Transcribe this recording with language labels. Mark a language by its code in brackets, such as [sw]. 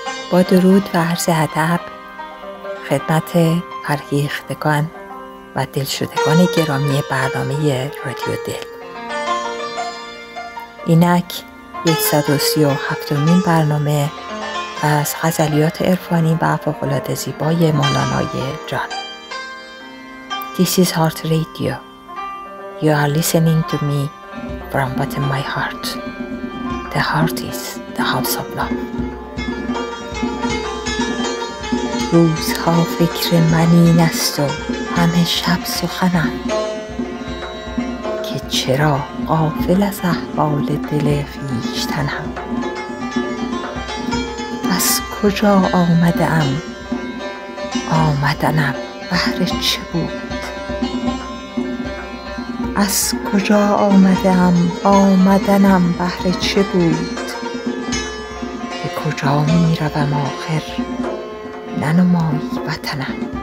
[fa] با درود و عرض ادب خدمت فرهیختگان و دلشدگان گرامی برنامه رادیو دل، اینک 137مین برنامه از غزلیات عرفانی و فوق‌العاده زیبای مولانای جان. [en] This is heart radio. You are listening to me from within my heart. The heart is the house of love. [fa] روزها فکر من این است و همه شب سخنم، که چرا غافل از احوال دل خویشتنم. از کجا آمدم؟ آمدنم بهر چه بود؟ از کجا آمدم؟ آمدنم بهر چه بود؟ به کجا می روم آخر؟ ننمایی وطنم.